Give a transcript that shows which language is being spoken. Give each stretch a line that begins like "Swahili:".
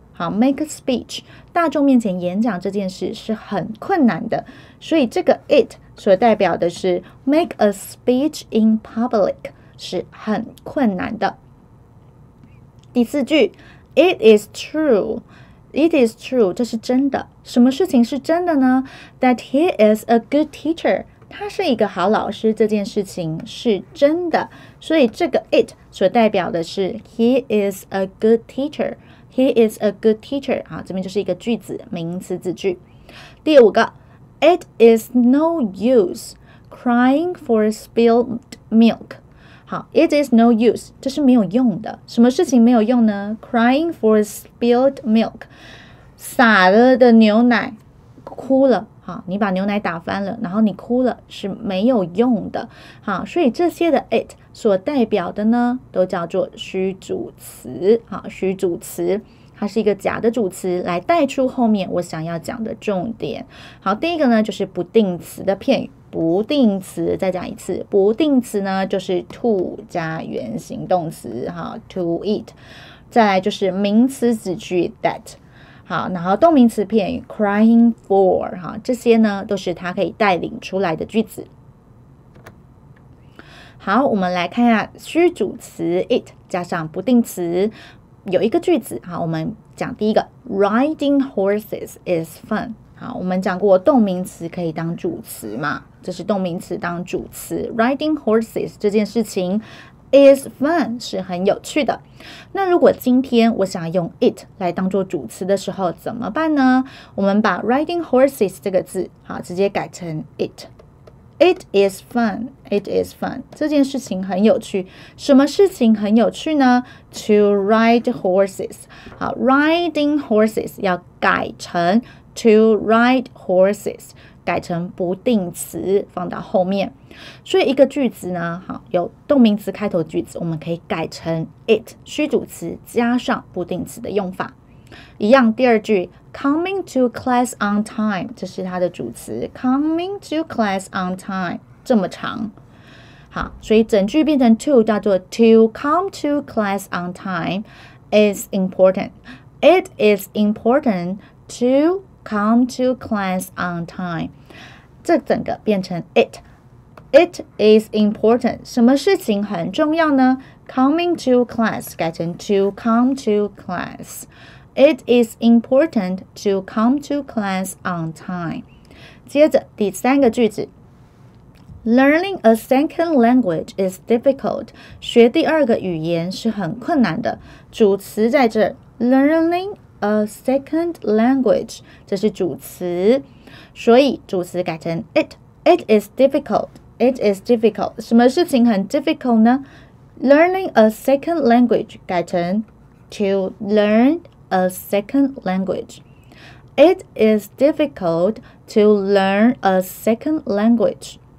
Chinese: 好 ，
English: make a speech，
Chinese: 大众面前演讲这件事是很困难的，所以这个 it 所代表的是
English: make a speech in public
Chinese: 是很困难的。第四句 ，
English: it is true，
Chinese: 这是真的。什么事情是真的呢 ？
English: That he is a good teacher，
Chinese: 他是一个好老师，这件事情是真的。所以这个 it 所代表的是
English: he is a good teacher。 He is a good teacher.
Chinese: 好，这边就是一个句子，名词子句。第五个
English: ，It is no use crying for spilled milk.
Chinese: 好 ，
English: It is no use，
Chinese: 这是没有用的。什么事情没有用呢 ？
English: Crying for spilled milk，
Chinese: 洒了的牛奶，哭了。好，你把牛奶打翻了，然后你哭了是没有用的。好，所以这些的 it 所代表的呢，都叫做虚主词。好，虚主词，它是一个假的主词，来带出后面我想要讲的重点。好，第一个呢，就是不定词的片语。不定词，再讲一次，不定词呢，就是 to 加原形动词，好 ，to eat。再来就是名词子句 that。好，然后动名词片语 crying for， 哈，这些呢都是它可以带领出来的句子。好，我们来看一下虚主词 it 加上不定词，有一个句子。好，我们讲第一个 ，
English: riding horses is fun。
Chinese: 好，我们讲过动名词可以当主词嘛，这是动名词当主词 ，
English: riding horses
Chinese: 这件事情。
English: Is fun
Chinese: 是很有趣的。那如果今天我想用 it 来当做主词的时候怎么办呢？我们把 riding horses 这个字，好，直接改成 it。
English: It is fun. It is fun.
Chinese: 这件事情很有趣。什么事情很有趣呢 ？
English: To ride horses.
Chinese: 好 ，
English: riding horses
Chinese: 要改成
English: to ride horses。
Chinese: 改成不定词放到后面，所以一个句子呢，好，有动名词开头句子，我们可以改成 it 虚主词加上不定词的用法。一样，第二句
English: coming to class on time，
Chinese: 这是它的主词
English: coming to class on time，
Chinese: 这么长，好，所以整句变成
English: to
Chinese: 叫做
English: to come to class on time is important， it is important to。 Come to class on time，
Chinese: 这整个变成
English: it。 It is important，
Chinese: 什么事情很重要呢
English: ？Coming to class 改成 to come to class。 It is important to come to class on time。
Chinese: 接着第三个句子
English: ，Learning a second language is difficult。
Chinese: 学第二个语言是很困难的。主词在这 ，learning。
English: A second language，
Chinese: 这是主词，所以主词改成 it。
English: It is difficult. It is difficult.
Chinese: 什么事情很
English: difficult 呢 ？Learning a second language
Chinese: 改成
English: to learn a second language. It is difficult to learn a second language.